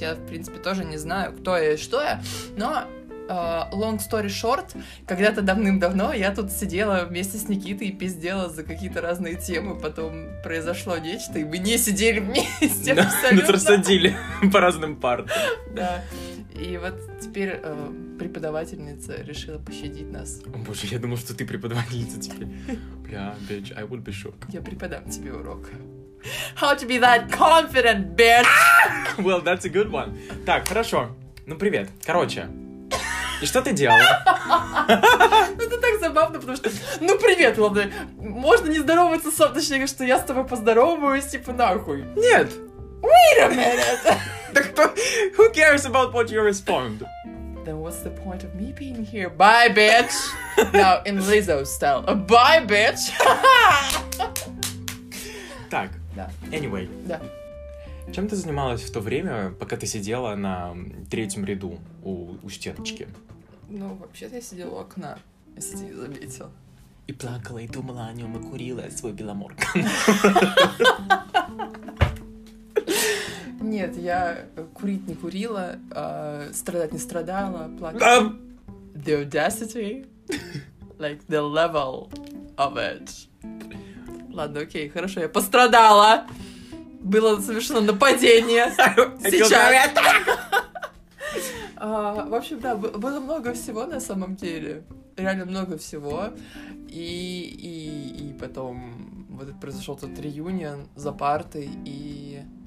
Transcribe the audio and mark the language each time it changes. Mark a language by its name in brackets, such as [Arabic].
[Russian] Я, в принципе, тоже не знаю, кто я и что я. Но, [English] long story short, [Russian] когда-то давным-давно я тут сидела вместе с Никитой и пиздела за какие-то разные темы. Потом произошло нечто, и мы не сидели вместе абсолютно. Нас рассадили по разным партам. Да. И вот теперь преподавательница решила пощадить нас. О, боже, я думал, что ты преподавательница теперь. Бля, [English] bitch, I would be shocked. [Russian] Я преподам тебе урок. [English] How to be that confident, bitch! Well, that's a good one. [Russian] Так, хорошо. Ну, привет. Короче. И что ты делала? Ну, это так забавно, потому что... Ну, привет, ладно. Можно не здороваться со мной, точнее, что я с тобой поздороваюсь, типа, нахуй. Нет. [English] Wait a minute! Who cares about what you respond? Then what's the point of me being here? Bye, bitch! Now, in Lizzo style. Bye, bitch! [Russian] Так, да. [English] Anyway. [Russian] Да. Чем ты занималась в то время, пока ты сидела на третьем ряду у стеночки? Ну, вообще-то я сидела у окна, если ты не заметил. И плакала, и думала о нем, и курила свой беломорган. Нет, я курить не курила, страдать не страдала, плакать. [English] The audacity, like the level of it. [Russian] Ладно, окей, хорошо, я пострадала. Было совершено нападение. Сейчас. В общем, да, было много всего на самом деле. Реально много всего. И потом вот произошел тот реюнион за партой, и...